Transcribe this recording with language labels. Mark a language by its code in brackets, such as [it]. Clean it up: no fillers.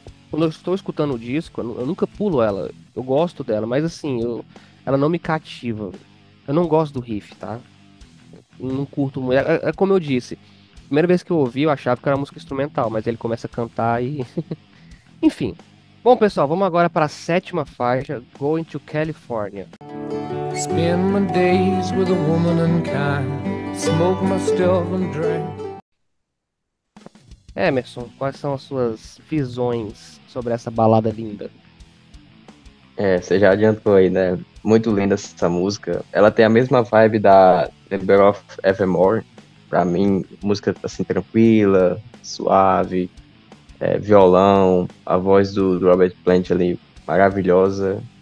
[pt] Quando eu estou escutando o disco, eu nunca pulo ela. Eu gosto dela, mas assim, ela não me cativa. Eu não gosto do riff, tá? Não curto muito. É como eu disse, primeira vez que eu ouvi, eu achava que era música instrumental, mas ele começa a cantar e. Enfim. Bom, pessoal, vamos agora para a sétima faixa, Going to California. [en] Spend my days with a woman unkind, smoke myself and drink. [pt] Emerson, quais são as suas visões sobre essa balada linda? É, você já adiantou aí, né? Muito linda essa música. Ela tem a mesma vibe da The Bell of Evermore. Pra mim, música assim, tranquila, suave, violão, a voz do Robert Plant ali, maravilhosa.